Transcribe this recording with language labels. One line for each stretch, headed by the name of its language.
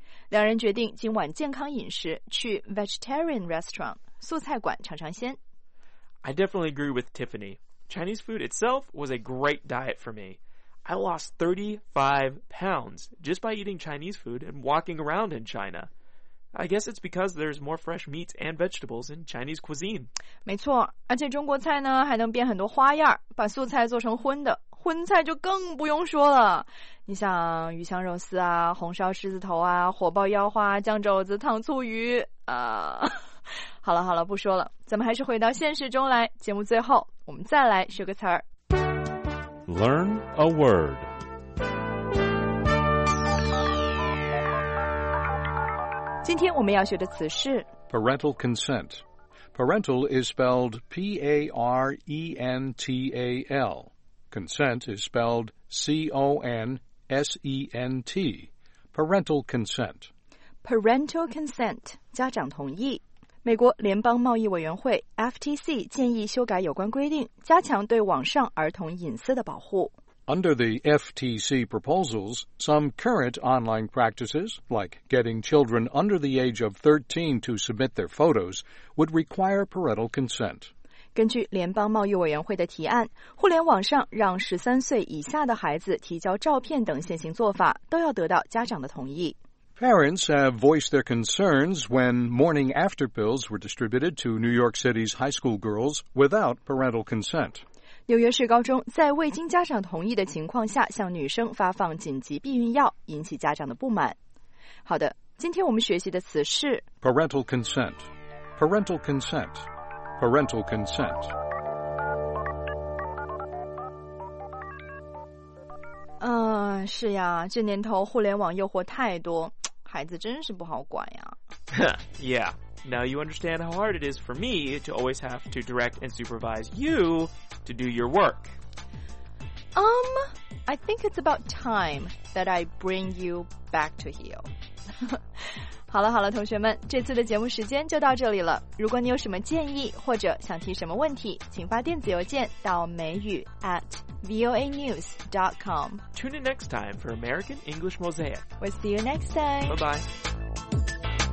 Chinese: 两人决定今晚健康饮食，去
English: vegetarian restaurant,
Chinese: 素菜馆尝尝鲜。
English: I definitely agree with Tiffany. Chinese food itself was a great diet for me. I lost 35 pounds just by eating Chinese food and walking around in China. I guess it's because there's more fresh meats and vegetables in Chinese cuisine.
Chinese: 没错，而且中国菜呢还能变很多花样，把素菜做成荤的，荤菜就更不用说了。你像鱼香肉丝啊，红烧狮子头啊，火爆腰花，酱肘子，糖醋鱼啊。好了好了，不说了，咱们还是回到现实中来。节目最后，我们再来学个词儿。
English: Learn a word. Today,
Chinese: 我们要学的词是
English: parental consent. Parental is spelled P-A-R-E-N-T-A-L. Consent is spelled C-O-N-S-E-N-T. Parental consent.
Chinese: Parental consent, 家长同意。美国联邦贸易委员会 FTC 建议修改有关规定，加强对网上儿童隐私的保护。
English: Under the FTC proposals, some current online practices, like getting children under the age of 13 to submit their photos, would require parental consent.
Chinese: 根据联邦贸易委员会的提案，互联网上让13岁以下的孩子提交照片等现行做法，都要得到家长的同意。
English: Parents have voiced their concerns when morning after pills were distributed to New York City's high school girls without parental consent.
Chinese: 纽约市高中在未经家长同意的情况下向女生发放紧急避孕药，引起家长的不满。好的，今天我们学习的词是
English: parental consent. Parental consent. Parental consent.
Chinese: 是呀，这年头互联网诱惑太多，孩子真是不好管呀。
English: Yeah, now you understand how hard it is for me to always have to direct and supervise you to do your work. I think it's about time that I bring you back to heel.
Chinese: 好了好了，同学们，这次的节目时间就到这里了。如果你有什么建议或者想提什么问题，请发电子邮件到美语@voanews.com.
English: Tune in next time for American English Mosaic. We'll see you next time. Bye-bye.